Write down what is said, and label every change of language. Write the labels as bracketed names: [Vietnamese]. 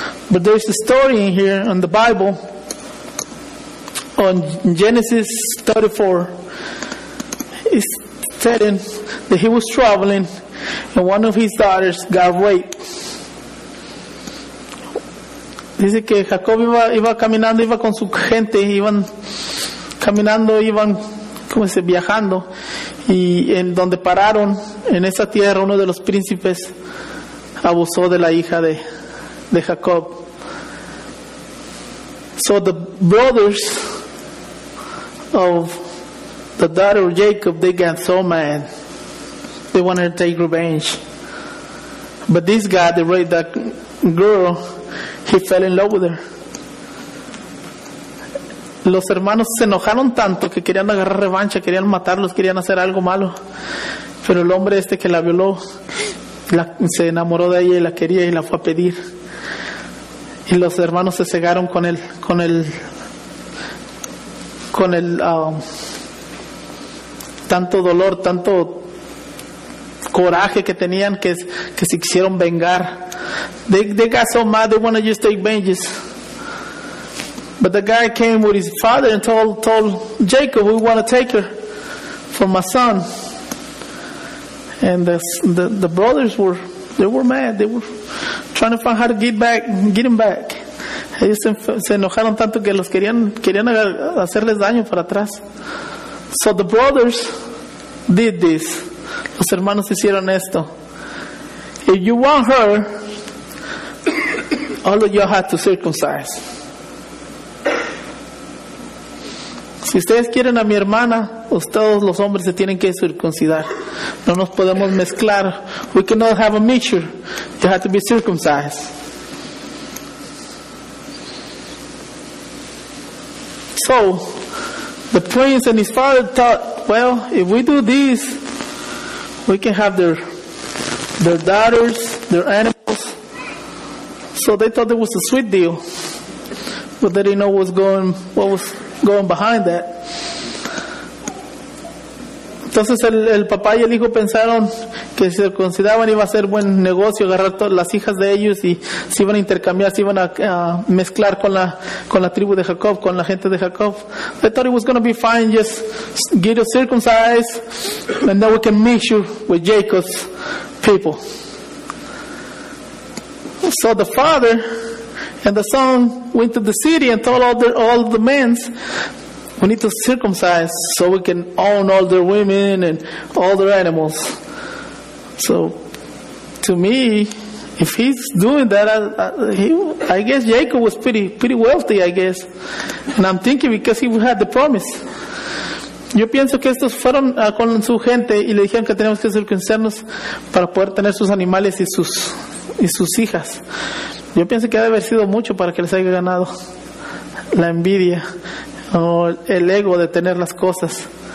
[English] But there's a story in here in the Bible. On Genesis 34, it's telling that he was traveling and one of his daughters got raped. [Spanish] Dice que Jacob iba caminando, iba con su gente, iban caminando, iban, ¿cómo se dice? Viajando. Y en donde pararon, en esa tierra, uno de los príncipes abusó de la hija de Jacob. [English] So the brothers of the daughter of Jacob, they got so mad. They wanted to take revenge. But this guy, the raped that girl, he fell in love with her. [Spanish] Los hermanos se enojaron tanto que querían agarrar revancha, querían matarlos, querían hacer algo malo. Pero el hombre este que la violó, se enamoró de ella y la quería y la fue a pedir. Y los hermanos se cegaron con el tanto dolor, tanto coraje que tenían que se quisieron vengar. [English] They got so mad, they wanted to just take vengeance. But the guy came with his father and told Jacob, we want to take her for my son. And the brothers were mad. They were trying to find how to get him back. [Spanish] Ellos se enojaron tanto que los querían hacerles daño para atrás. [English] So the brothers did this. [Spanish] Los hermanos hicieron esto. [English] If you want her, all of you have to circumcise. [Spanish] Si ustedes quieren a mi hermana, todos los hombres se tienen que circuncidar. No nos podemos mezclar. [English] We cannot have a mixture. You have to be circumcised. So, the prince and his father thought, well, if we do this, we can have their daughters, their animals. So they thought it was a sweet deal. But they didn't know what was going behind that. [Spanish] Entonces el papá y el hijo pensaron que se consideraban iba a ser buen negocio agarrar todas las hijas de ellos y se iban a intercambiar, se iban a mezclar con la tribu de Jacob, con la gente de Jacob. [English] They thought it was going to be fine, just get us circumcised and then we can mix you with Jacob's people. So the father and the son went to the city and told all the men, we need to circumcise so we can own all their women and all their animals. So, to me, if he's doing that, I guess Jacob was pretty wealthy, I guess. And I'm thinking because he had the promise. [Spanish] Yo pienso que estos fueron con su gente y le dijeron que tenemos que circuncidarnos para poder tener sus animales y sus hijas. Yo pienso que ha de haber sido mucho para que les haya ganado la envidia o el ego de tener las cosas.